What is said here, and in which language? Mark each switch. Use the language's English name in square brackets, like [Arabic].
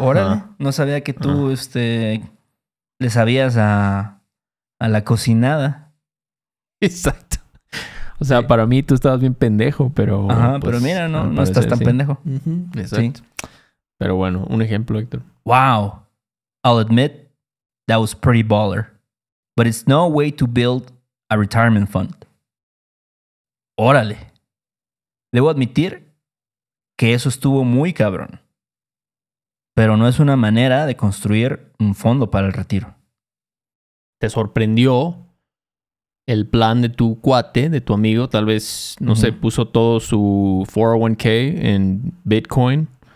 [Spanish] Órale, no sabía que tú le sabías a la cocinada. Exacto. O sea, sí. Para mí tú estabas bien pendejo, pero... Ajá, pues, pero mira, no estás tan sí. pendejo. Uh-huh. Exacto. Sí. Pero bueno, un ejemplo, Héctor. Wow. [English] I'll admit that was pretty baller. But it's no way to build a retirement fund. [Spanish] Órale. Debo admitir que eso estuvo muy cabrón. Pero no es una manera de construir un fondo para el retiro. ¿Te sorprendió... El plan de tu cuate, de tu amigo, tal vez, no uh-huh. sé, puso todo su 401k en Bitcoin.